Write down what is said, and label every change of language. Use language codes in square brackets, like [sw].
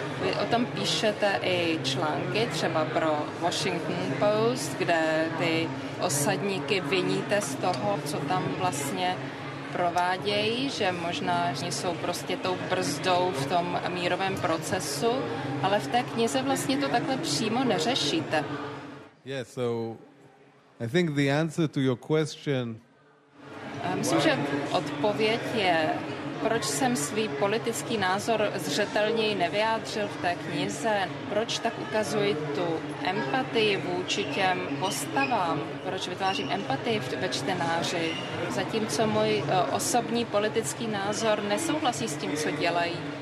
[cs] Vy o tom píšete i články, třeba pro Washington Post, kde ty osadníky viníte z toho, co tam vlastně provádějí, že možná jsou prostě tou brzdou v tom mírovém procesu, ale v té knize vlastně to takhle přímo neřešíte. [en] Yes, so I think the answer to your question. [cs] Myslím, že odpověď je, proč jsem svůj politický názor zřetelněji nevyjádřil v té knize, proč tak ukazuji tu empatii vůči těm postavám, proč vytvářím empatii ve čtenáři, zatímco můj osobní politický názor nesouhlasí s tím, co dělají.